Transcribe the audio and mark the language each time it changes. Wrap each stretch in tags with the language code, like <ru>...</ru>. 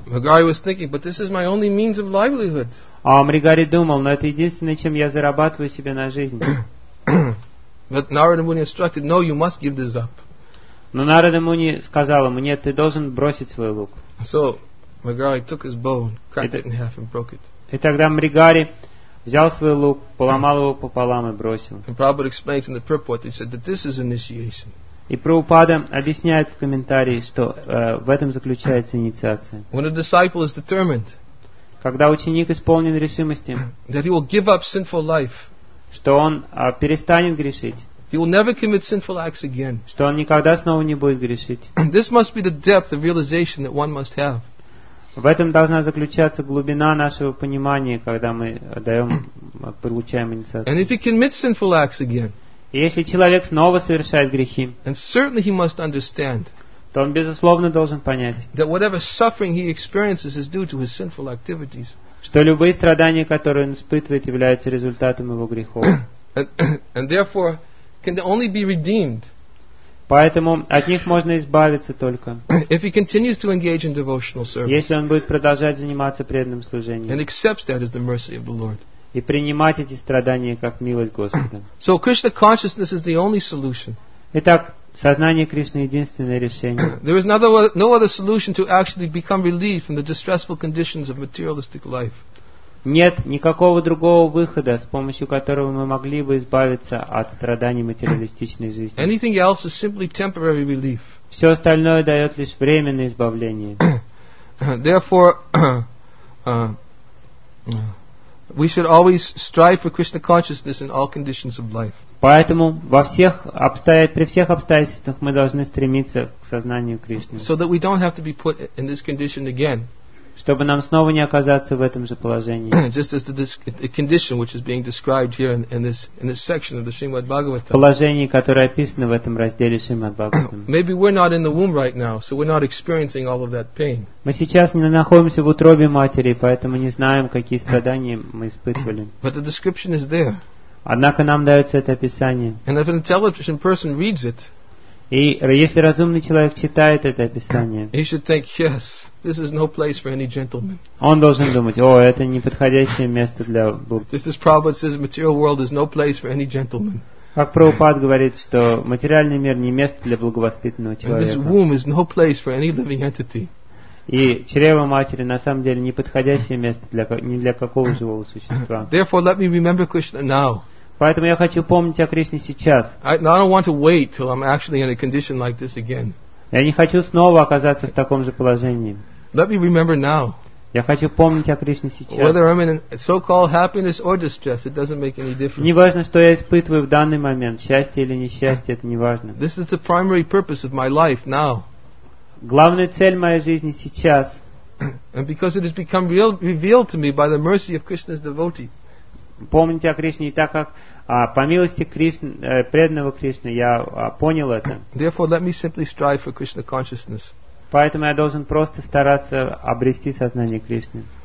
<en>Magari was thinking, but this is my only means of livelihood.</en> <ru>А Мригари думал, но это единственное, чем я зарабатываю себе на жизнь.</ru> <en>But Narada Muni instructed, no, you must give this up.</en> <ru>Но Нарада Муни сказал ему, нет, ты должен бросить свой лук.</ru> <en>So Magari took his bow, cracked it in half, and broke it.</en> <ru>И тогда Мригари взял свой лук, поломал его пополам и бросил.</ru> <en>And Prabhupada explains in the purport, he said that this is initiation.</en> <ru>И Прабхупада объясняет в комментарии, что в этом заключается инициация.</ru> <en>When a disciple is determined,</en> <ru>когда ученик исполнен решимости,</ru> <en>that he will give up sinful life,</en> <ru>что он перестанет грешить,</ru> <en>he will never commit sinful acts again,</en> <ru>что он никогда снова не будет грешить.</ru> <en>This must be the depth of realization that one must have.</en> <ru>В этом должна заключаться глубина нашего понимания, когда мы даем, получаем инициацию.</ru> <en>And if he commits sinful acts again,</en> <ru>если человек снова совершает грехи,</ru> <en>and certainly he must understand,</en> <ru>то он безусловно должен понять,</ru> <en>that whatever suffering he experiences is due to his sinful activities,</en> <ru>что любые страдания, которые он испытывает, являются результатом его грехов.</ru> <en>And therefore can only be redeemed,</en> <ru>поэтому от них можно избавиться только,</ru> <en>if he continues to engage in devotional service,</en> <ru>если он будет продолжать заниматься преданным служением,</ru> <en>and accepts that as the mercy of the Lord,</en> <ru>и принимать эти страдания как милость Господа.</ru> <en>So Krishna consciousness is the only solution.</en> <ru>Итак, сознание Кришны единственное решение.</ru> <en>There is no other solution to actually become relieved from the distressful conditions of materialistic life.</en> <ru>Нет никакого другого выхода, с помощью которого мы могли бы избавиться от страданий материалистичной жизни.</ru> <en>Anything else is simply temporary relief.</en> <ru>Все остальное дает лишь временное избавление.</ru> <en>Therefore, we should always strive for Krishna consciousness in all conditions of life.</en> <ru>Поэтому при всех обстоятельствах мы должны стремиться к сознанию Кришны.</ru> <en>So that we don't have to be put in this condition again.</en> <ru>Чтобы нам снова не оказаться в этом же положении.</ru> <en>Just as the condition which is being described here in this section of the Srimad Bhagavatam.</en> <ru>Положение, которое описано в этом разделе Srimad Bhagavatam.</ru> <en>Maybe we're not in the womb right now, so we're not experiencing all of that pain.</en> <ru>Мы сейчас не находимся в утробе матери, поэтому не знаем, какие страдания мы испытывали.</ru> <en>But the description is there.</en> <ru>Однако нам дается это описание.</ru> <en>And if an intelligent person reads it,</en> <ru>и если разумный человек читает это описание,</ru> <en>he should think, yes, this is no place for any gentleman.</en> <ru>Он должен думать, о, это неподходящее место для</ru> <en>Just as Prabhupada says, material world is no place for any gentleman.</en> <ru>Как Прабхупад говорит, что материальный мир не место для благовоспитанного человека.</ru> <en>This womb is no place for any living entity.</en> <ru>И чрево матери на самом деле не подходящее место для, ни для какого живого существа.</ru> <en>Therefore, let me remember Krishna now.</en> <ru>Поэтому я хочу помнить о Кришне сейчас. Я не хочу снова оказаться в таком же положении.</ru> <en>Let me remember now.</en> <ru>Я хочу помнить о Кришне сейчас.</ru> <en>Whether I'm in so-called happiness or distress, it doesn't make any difference.</en> <ru>Не важно, что я испытываю в данный момент, счастье или несчастье, это не важно.</ru> <en>This is the primary purpose of my life now.</en> <ru>Главная цель моей жизни сейчас.</ru> <en>And because it has become real, revealed to me by the mercy of Krishna's devotee.</en> <ru>Помните о Кришне, так как по милости Кришны, преданного Кришны, я понял это.</ru> <en>Therefore, let me simply strive for Krishna consciousness.</en> <ru>Поэтому я должен просто стараться обрести сознание Кришны.</ru>